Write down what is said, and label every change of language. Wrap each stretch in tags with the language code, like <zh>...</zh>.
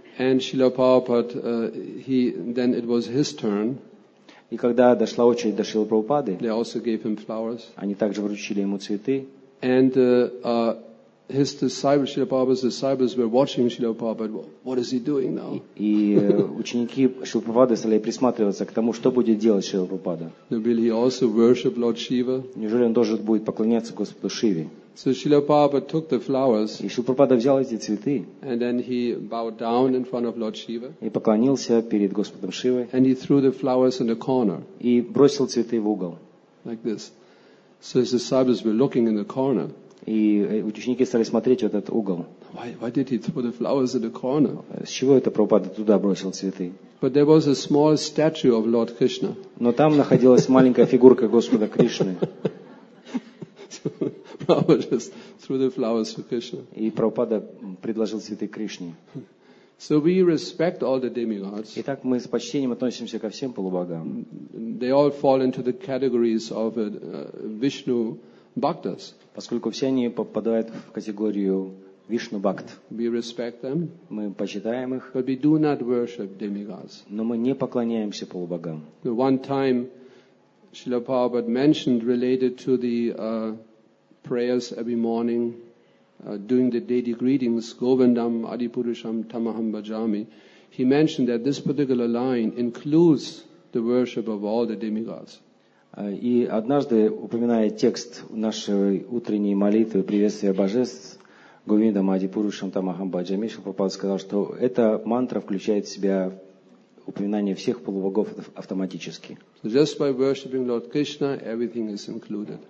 <en>And Srila Prabhupada, then it was his turn.</en> <ru>И когда дошла очередь до Шрилы Прабхупады,</ru> <en>they also gave him flowers.</en> <ru>Они также вручили ему цветы.</ru> <en>And his disciples, Srila Prabhupada's disciples, were watching Srila Prabhupada. What is he doing now?</en> <ru>И ученики Шрилы Прабхупады стали присматриваться к тому, что будет делать Шрила Прабхупада.</ru> <en>Will he also worship Lord Shiva?</en> <ru>Неужели он должен будет поклоняться Господу Шиве?</ru> <en>So Srila Prabhupada took the flowers.</en> <ru>И Шрила Прабхупада взял эти цветы.</ru> <en>And then he bowed down in front of Lord Shiva.</en> <ru>И поклонился перед Господом Шивой.</ru> <en>And he threw the flowers in the corner.</en> <ru>И бросил цветы в угол.</ru> <en>Like this. So his disciples were looking in the corner.</en> <ru>И ученики стали смотреть в этот угол.</ru> <en>Why did he throw the flowers in the corner?</en> <ru>С чего это Прабхупада туда бросил цветы?</ru> <en>But there was a small statue of Lord Krishna.</en> <ru>Но там находилась маленькая фигурка Господа Кришны.</ru> <en>Prabhupada just threw the flowers to Krishna.</en> <ru>И Прабхупада предложил цветы Кришне.</ru> <en>So we respect all the demigods.</en> <ru>Итак, мы с почтением относимся ко всем полубогам.</ru> <en>They all fall into the categories of Vishnu bhaktas.</en> <ru>Поскольку все они попадают в категорию Вишну бхакт.</ru> <en>We respect them.</en> <ru>Мы почитаем их.</ru> <en>But we do not worship demigods.</en> <ru>Но мы не поклоняемся полубогам.</ru> <en>One time, Srila Prabhupada mentioned related to the prayers every morning. Doing the daily greetings, Govindam Adipurusham Tamaham Bhajami, he mentioned that this particular line includes the worship of all the demigods.</en> <ru>И однажды, упоминая текст нашей утренней молитвы приветствия божеств, Говиндам Адипурушам Тамахам Бхаджами, Шрила Прабхупада сказал, что эта мантра включает в себя упоминание всех полубогов автоматически.</ru> <en>So just by worshiping Lord Krishna, everything is included.</en>